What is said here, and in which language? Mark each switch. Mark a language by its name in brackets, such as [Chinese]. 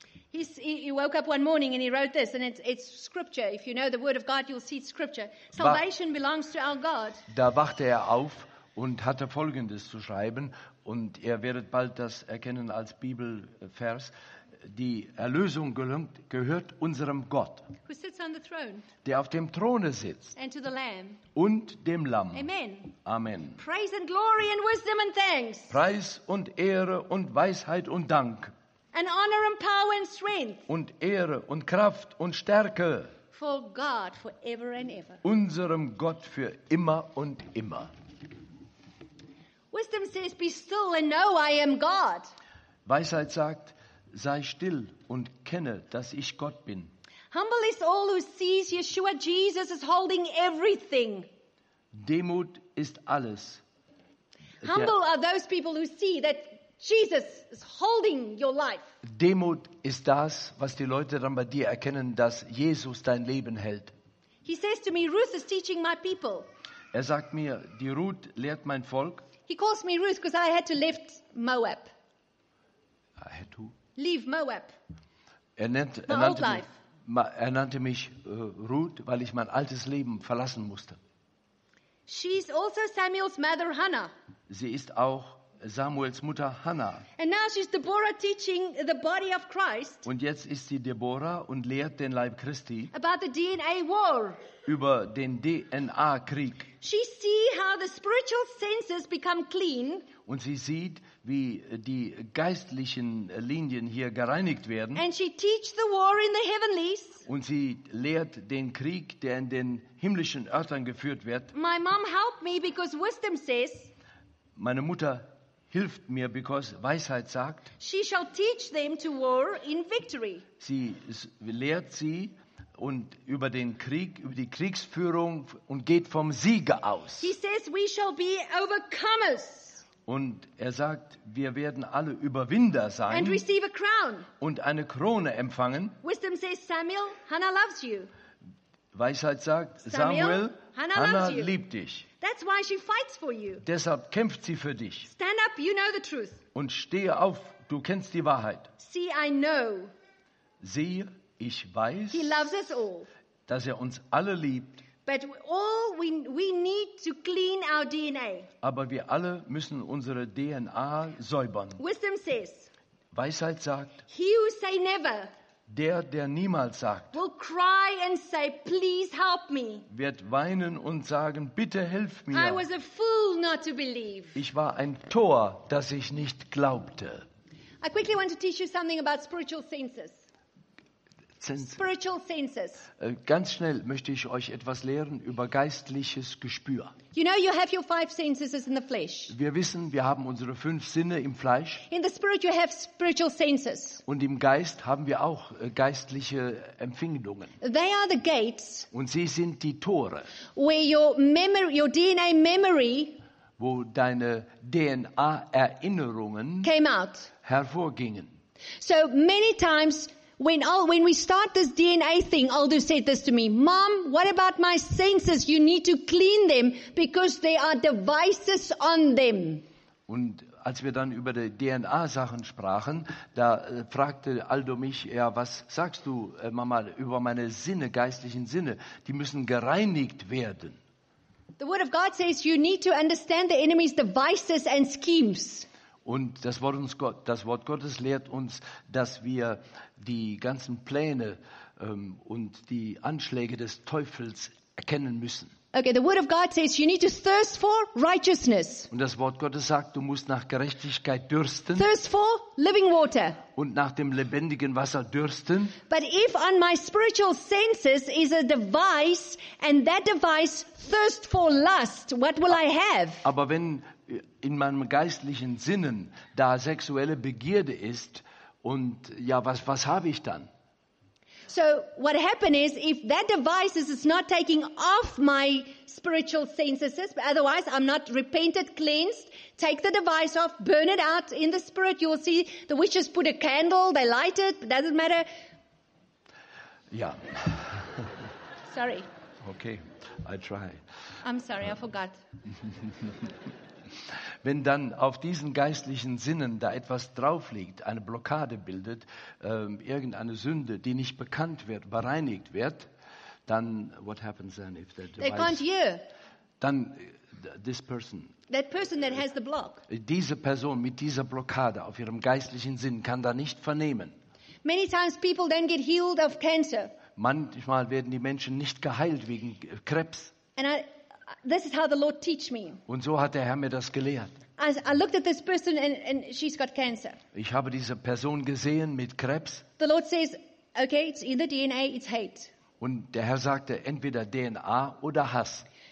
[English] He woke up one morning and he wrote this, and it's scripture. If you know the word of God, you'll see scripture. Salvation belongs to our God. [German] Da wachte er auf und hatte Folgendes zu schreiben, und ihr werdet bald das erkennen als Bibelvers. Die Erlösung gehört unserem Gott, [English] who sits on the throne, [German] der auf dem Throne sitzt, [English] and to the Lamb, [German] und dem Lamm. [English] Amen. Amen. Praise and glory and wisdom and thanks. [German] Preis und Ehre und Weisheit und Dank. [English] And honor and power and strength. [German] Und Ehre und Kraft und Stärke. [English] For God forever and ever. [German] Unserem Gott für immer und immer. [English] Wisdom says, be still and know I am God. [German] Weisheit sagt, sei still und kenne, dass ich Gott bin. [English] Humble is all who sees Yeshua Jesus as holding everything. [German] Demut ist alles. [English] Humble are those people who see that Jesus is holding your life. [German] Demut ist das, was die Leute dann bei dir erkennen, dass Jesus dein Leben hält. [English] He says to me, Ruth is teaching my people. [German] Er sagt mir, die Ruth lehrt mein Volk. [English] He calls me Ruth because I had to leave Moab. I had to leave Moab. [German] Er nannte mich Ruth, weil ich mein altes Leben verlassen musste. [English] She's also Samuel's mother, Hannah. [German] Sie ist auch Samuels Mutter Hannah. [English] And now she's Deborah teaching the body of Christ. [German] Und jetzt ist sie Deborah und lehrt den Leib Christi. [English] About the DNA war. [German] Über den DNA-Krieg. [English] She see how the spiritual senses become clean. [German] Und sie sieht, wie die geistlichen Linien hier gereinigt werden. [English] And she teach the war in the heavenlies. [German] Und sie lehrt den Krieg, der in den himmlischen Örtern geführt wird. [English] My mom helped me because wisdom says. [German] Meine Mutter hilft mir, [English] because [German] Weisheit sagt, [English] she shall teach them to war in victory. [German] Sie lehrt sie und über den Krieg, über die Kriegsführung, und geht vom Siege aus. [English] He says we shall be overcomers. [German] Und er sagt, wir werden alle Überwinder sein [English] and receive a crown. [German] Und eine Krone empfangen. [English] Wisdom says, Samuel, Hannah loves you. [German] Weisheit sagt, Samuel, Hannah liebt dich. [English] That's why she fights for you. [German] Deshalb kämpft sie für dich. [English] Stand up, you know the truth. [German] Und stehe auf, du kennst die Wahrheit. [English] See, I know. [German] Sehe, ich weiß. [English] He loves us all. [German] Dass er uns alle liebt. [English] But all we need to clean our DNA. [German] Aber wir alle müssen unsere DNA säubern. [English] Wisdom says. [German] Weisheit sagt. [English] He who say never. [German] Der niemals sagt, [English] will cry and say, please help me. [German] Wird weinen und sagen, bitte helf mir. [English] I was a fool not to believe. [German] Ich war ein Tor, das ich nicht glaubte. [English] I quickly want to teach you something about spiritual senses. Spiritual senses. [German] Ganz schnell möchte ich euch etwas lehren über geistliches Gespür. [English] You know, you have your five senses in the flesh. [German] Wir wissen, wir haben unsere fünf Sinne im Fleisch. [English] In the spirit you have spiritual senses. [German] Und im Geist haben wir auch geistliche Empfindungen. [English] They are the gates. [German] Und sie sind die Tore. [English] Where your DNA memory, [German] wo deine DNA-Erinnerungen [English] came out, [German] hervorgingen. [English] So many times. When we start this DNA thing, Aldo said this to me. Mom, what about my senses? You need to clean them because there are devices on them. [German] Und als wir dann über die DNA-Sachen sprachen, da fragte Aldo mich, ja, was sagst du, Mama, über meine Sinne, geistlichen Sinne? Die müssen gereinigt werden. [English] The Word of God says you need to understand the enemy's devices and schemes. [German] Und das Wort Gottes lehrt uns, dass wir die ganzen Pläne und die Anschläge des Teufels erkennen müssen. [English] Okay, the Word of God says you need to thirst for righteousness. [German] Und das Wort Gottes sagt, du musst nach Gerechtigkeit dürsten. [English] Thirst for living water. [German] Und nach dem lebendigen Wasser dürsten. [English] But if on my spiritual senses is a device and that device thirst for lust, what will I have? [German] Aber wenn in meinem geistlichen Sinnen da sexuelle Begierde ist und ja, was habe ich dann? [English] So what happened is if that device is not taking off my spiritual senses, otherwise I'm not repented, cleansed, take the device off, burn it out in the spirit. You'll see the witches put a candle, they light it, doesn't matter. Yeah. Sorry. Okay, I try. I'm sorry, I forgot. [German] Wenn dann auf diesen geistlichen Sinnen da etwas drauf liegt, eine Blockade bildet, irgendeine Sünde, die nicht bekannt wird, bereinigt wird, dann [English] what happens then if that device, they can't hear. [German] Dann [English] this person. That person that has the block. [German] Diese Person mit dieser Blockade auf ihrem geistlichen Sinn kann da nicht vernehmen. [English] Many times people don't get healed of cancer. [German] Manchmal werden die Menschen nicht geheilt wegen Krebs. [English] This is how the Lord teach me. [German] Und so hat der Herr mir das gelehrt. [English] I looked at this person and she's got cancer. [German] Ich habe diese Person gesehen mit Krebs. [English] The Lord says, okay, it's in the DNA, it's hate. [German] Und der Herr sagte, entweder DNA oder Hass.